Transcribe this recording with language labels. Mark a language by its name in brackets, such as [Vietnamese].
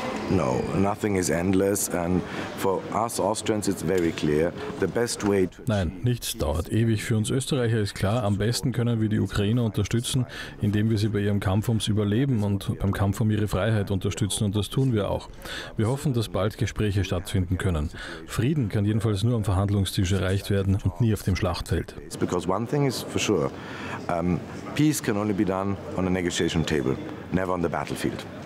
[English] No, nothing is endless and for us Austrians it's very clear, the best way to... [German] Nein, nichts dauert ewig. Für uns Österreicher ist klar, am besten können wir die Ukraine unterstützen, indem wir sie bei ihrem Kampf ums Überleben und beim Kampf um ihre Freiheit unterstützen und das tun wir auch. Wir hoffen, dass bald Gespräche stattfinden können. Frieden kann jedenfalls nur am Verhandlungstisch erreicht werden und nie auf dem Schlachtfeld. [English] Because one thing is for sure, peace can only be done on a negotiation table, never on the battlefield.